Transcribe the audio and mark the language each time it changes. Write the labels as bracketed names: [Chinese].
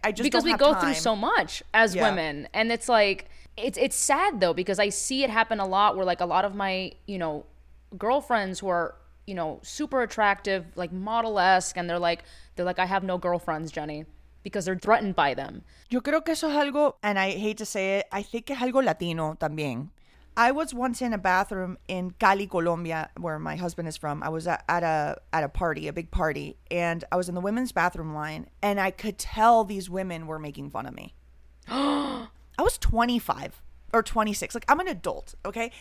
[English] Because we go through so much as women. And it's like, it's sad though, because I see it happen a lot where like a lot of my, you know, girlfriends who are, you know, super attractive, like model-esque, and they're like, I have no girlfriends, Jenny, because they're threatened by them. [Spanish] Yo creo que eso es algo, [English] and I hate to say it, I think [Spanish] es algo Latino también. [English] I was once in a bathroom in Cali, Colombia, where my husband is from. I was at a big party, and I was in the women's bathroom line, and I could tell these women were making fun of me. I was 25 or 26. Like, I'm an adult, okay?